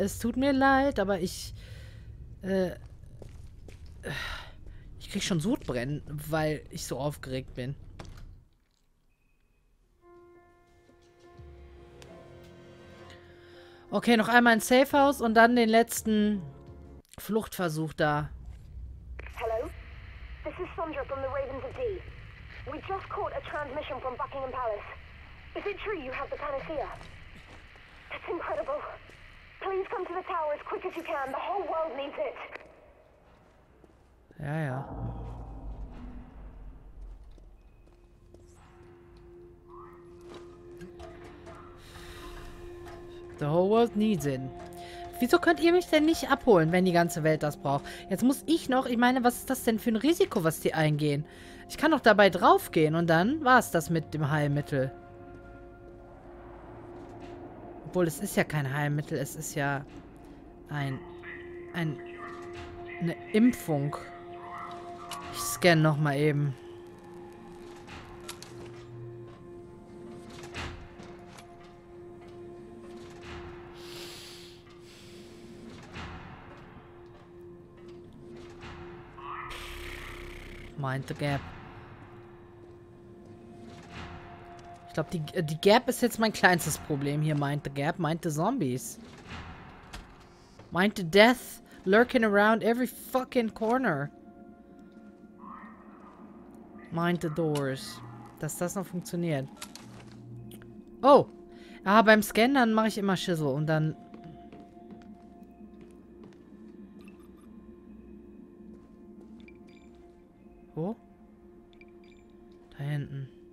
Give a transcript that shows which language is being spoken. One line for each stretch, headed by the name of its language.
German: Es tut mir leid, aber ich... ich krieg schon Sodbrennen, weil ich so aufgeregt bin. Okay, noch einmal ein Safe House und dann den letzten Fluchtversuch da.
English: Hello. This is Sandra from the Ravens of D. We just caught a transmission from Buckingham Palace. Is it true you have the panacea? That's incredible. Please come to the tower as quick as you can. The whole world needs it.
German: Ja, ja.
English: The whole world needs it.
German: Wieso könnt ihr mich denn nicht abholen, wenn die ganze Welt das braucht? Jetzt muss ich noch... Ich meine, was ist das denn für ein Risiko, was die eingehen? Ich kann doch dabei draufgehen und dann war es das mit dem Heilmittel. Obwohl, es ist ja kein Heilmittel. Es ist ja eine Impfung. Ich scanne nochmal eben.
English: Mind the Gap.
German: Ich glaube, die Gap ist jetzt mein kleinstes Problem hier.
English: Mind the Gap. Mind the Zombies. Mind the Death lurking around every fucking corner. Mind the Doors.
German: Dass das noch funktioniert. Oh. Ah, beim Scannen, dann mache ich immer Schissel und dann... Wo? Da hinten.